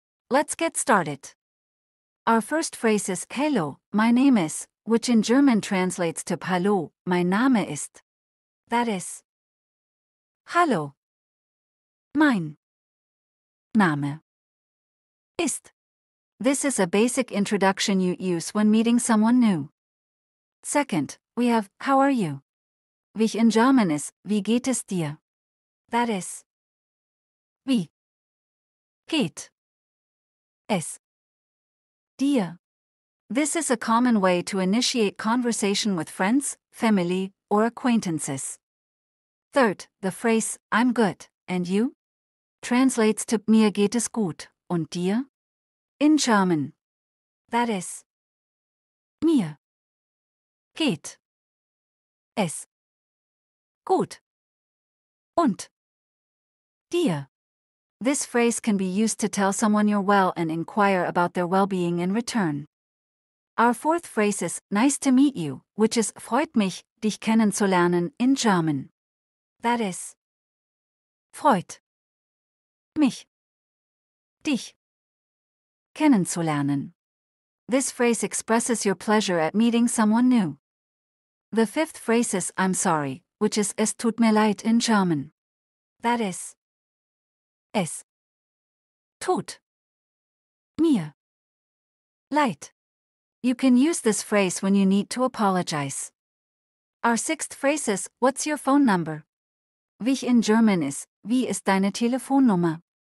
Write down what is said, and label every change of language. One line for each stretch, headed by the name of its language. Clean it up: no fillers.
English: Let's get started. Our first phrase is Hallo, my name is, which in German translates to
German: Hallo, mein Name ist.
English: That is,
German: Hallo, mein Name ist.
English: This is a basic introduction you use when meeting someone new. Second, we have, how are you?
German: Wie in German ist, wie geht es dir?
English: That is,
German: wie geht es dir?
English: This is a common way to initiate conversation with friends, family, or acquaintances. Third, the phrase, I'm good, and you? Translates to,
German: mir geht es gut, und dir?
English: In German, that is,
German: mir geht es gut und dir.
English: This phrase can be used to tell someone you're well and inquire about their well-being in return. Our fourth phrase is nice to meet you, which is
German: freut mich, dich kennenzulernen
English: in German. That is,
German: freut mich, dich kennenzulernen.
English: This phrase expresses your pleasure at meeting someone new. The fifth phrase is I'm sorry, which is
German: es tut mir leid
English: in German. That is,
German: es tut mir leid.
English: You can use this phrase when you need to apologize. Our sixth phrase is what's your phone number?
German: Wie in German is, wie ist deine Telefonnummer?